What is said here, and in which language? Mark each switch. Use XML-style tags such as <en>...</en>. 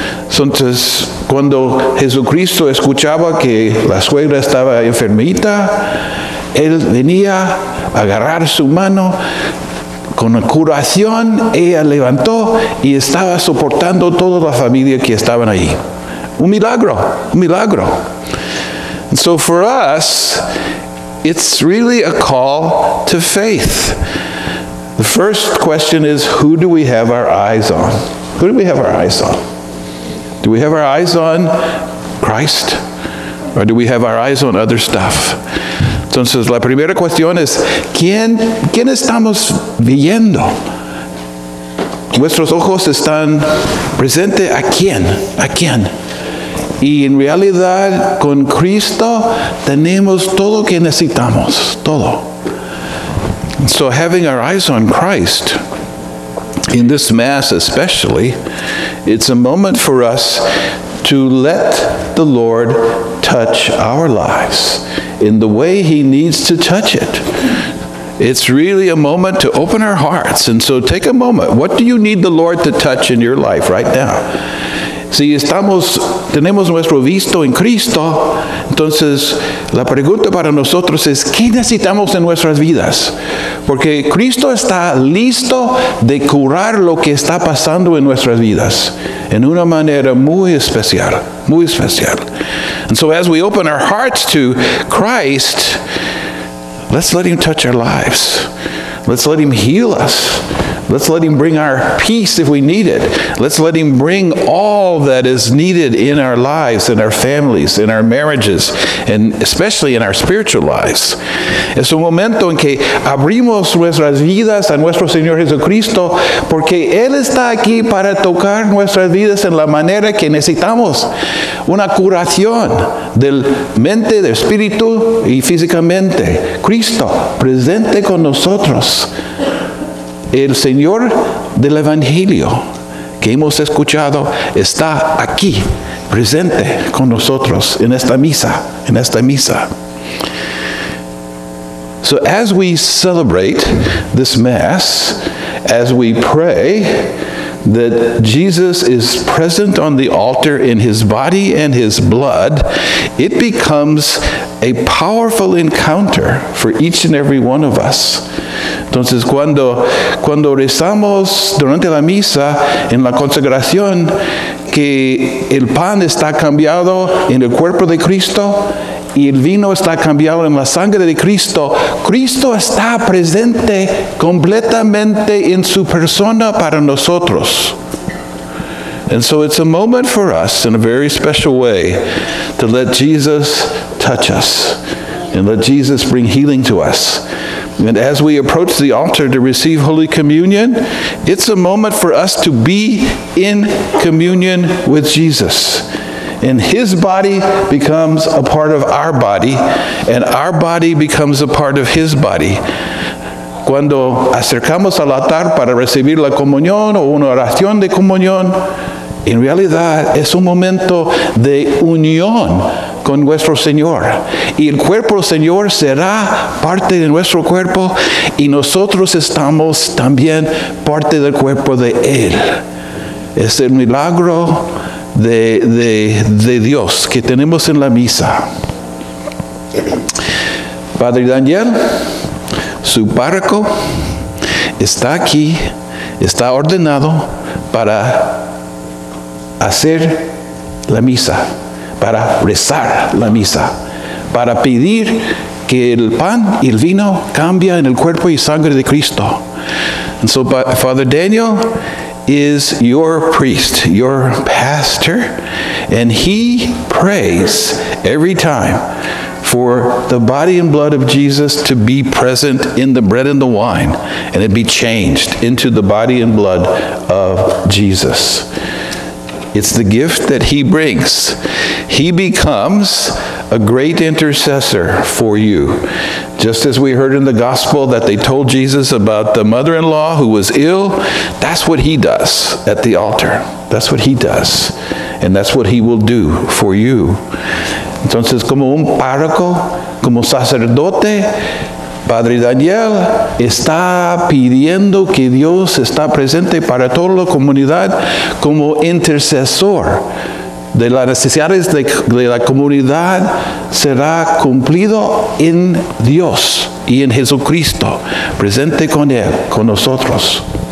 <es>Entonces, cuando Jesucristo escuchaba que la suegra estaba enfermita, él venía a agarrar su mano con la curación, ella levantó y estaba soportando toda la familia que estaban ahí. Un milagro, un milagro.</es> <en>And so for us, it's really a call to faith. The first question is, who do we have our eyes on? Who do we have our eyes on? Do we have our eyes on Christ? Or do we have our eyes on other stuff?</en> <es>Entonces, la primera cuestión es, ¿quién estamos viendo? ¿Nuestros ojos están presentes a quién? ¿A quién? Y en realidad, con Cristo, tenemos todo que necesitamos. Todo.</es> <en>So, having our eyes on Christ, in this Mass especially, it's a moment for us to let the Lord touch our lives in the way He needs to touch it. It's really a moment to open our hearts. And so take a moment. What do you need the Lord to touch in your life right now?</en> <es>Si estamos, tenemos nuestro visto en Cristo, entonces la pregunta para nosotros es, ¿qué necesitamos en nuestras vidas? Porque Cristo está listo de curar lo que está pasando en nuestras vidas, en una manera muy especial, muy especial.</es> <en>And so as we open our hearts to Christ, let's let Him touch our lives. Let's let Him heal us. Let's let Him bring our peace if we need it. Let's let Him bring all that is needed in our lives, in our families, in our marriages, and especially in our spiritual lives.</en> <es>Es un momento en que abrimos nuestras vidas a nuestro Señor Jesucristo porque Él está aquí para tocar nuestras vidas en la manera que necesitamos. Una curación del mente, del espíritu y físicamente. Cristo presente con nosotros. El Señor del Evangelio que hemos escuchado está aquí, presente con nosotros en esta misa, en esta misa.</es> <en>So as we celebrate this Mass, as we pray that Jesus is present on the altar in His body and His blood, it becomes a powerful encounter for each and every one of us.</en> <es>Entonces, cuando rezamos durante la misa, en la consagración, que el pan está cambiado en el cuerpo de Cristo, y el vino está cambiado en la sangre de Cristo, Cristo está presente completamente en su persona para nosotros.</es> <en>And so it's a moment for us, in a very special way, to let Jesus touch us, and let Jesus bring healing to us. And as we approach the altar to receive Holy Communion, it's a moment for us to be in communion with Jesus. And His body becomes a part of our body, and our body becomes a part of His body.</en> <es>Cuando acercamos al altar para recibir la comunión o una oración de comunión, en realidad es un momento de unión con nuestro Señor. Y el cuerpo del Señor será parte de nuestro cuerpo y nosotros estamos también parte del cuerpo de Él. Es el milagro de Dios que tenemos en la misa. Padre Daniel, su párroco está aquí, está ordenado para hacer la misa, para rezar la misa, para pedir que el pan y el vino cambien en el cuerpo y sangre de Cristo.</es> <en>And so, Father Daniel is your priest, your pastor, and he prays every time for the body and blood of Jesus to be present in the bread and the wine, and it be changed into the body and blood of Jesus. It's the gift that He brings. He becomes a great intercessor for you. Just as we heard in the gospel that they told Jesus about the mother-in-law who was ill, that's what He does at the altar. That's what He does. And that's what He will do for you.</en> <es>Entonces, como un párroco, como sacerdote, Padre Daniel está pidiendo que Dios está presente para toda la comunidad como intercesor de las necesidades de la comunidad será cumplido en Dios y en Jesucristo, presente con Él, con nosotros.</es>